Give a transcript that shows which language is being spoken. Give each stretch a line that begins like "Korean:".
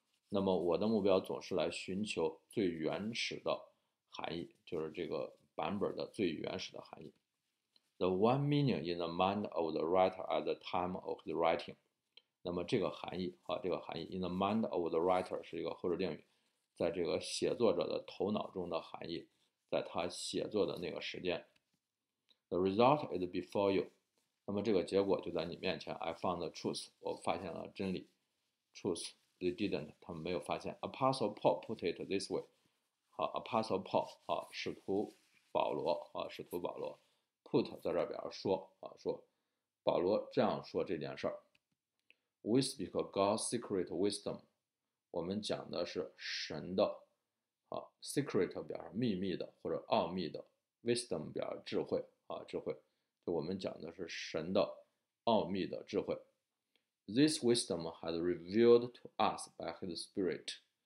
Chinese: 那么我的目标总是来寻求最原始的含义就是这个版本的最原始的含义。
English: The one meaning in the mind of the writer at the time of the writing.
Chinese: 那么这个含义啊，这个含义
English: in the mind of the writer
Chinese: 是一个后置定语，在这个写作者的头脑中的含义，在他写作的那个时间。
English: The result is before you。
Chinese: 那么这个结果就在你面前。
English: I found the truth。
Chinese: 我发现了真理。
English: Truth they didn't。
Chinese: 他们没有发现。
English: Apostle Paul put it this way。
Chinese: 好，Apostle Paul 啊，使徒保罗啊，使徒保罗 put 在这表示说啊，说保罗这样说这件事儿。
English: We speak God's secret wisdom。
Chinese: 我们讲的是神的啊，secret 表示秘密的或者奥秘的，wisdom 表示智慧啊，智慧。就我们讲的是神的奥秘的智慧。
English: This wisdom has revealed to us by His Spirit。